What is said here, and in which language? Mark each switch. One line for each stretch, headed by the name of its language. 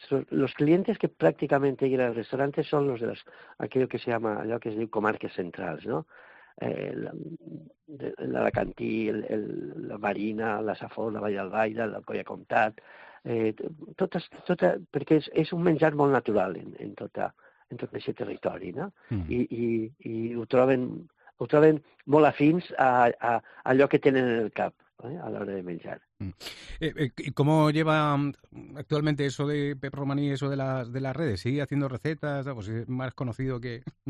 Spanish: Los clientes que prácticamente llegan al restaurante son los de aquello que se llama, lo que se dice comarques centrales, ¿no?
Catalan: La Alacantí, la Marina, la Safor, la Vall d'Albaida, la Colla Comtat, perquè és un menjar molt natural en tot aquest territori, no? I ho troben molt afins a allò que tenen en el cap, a l'hora de menjar.
Spanish: ¿Cómo lleva actualmente eso de Pep Romaní, eso de las redes? ¿Sigue haciendo recetas? Pues es más conocido que...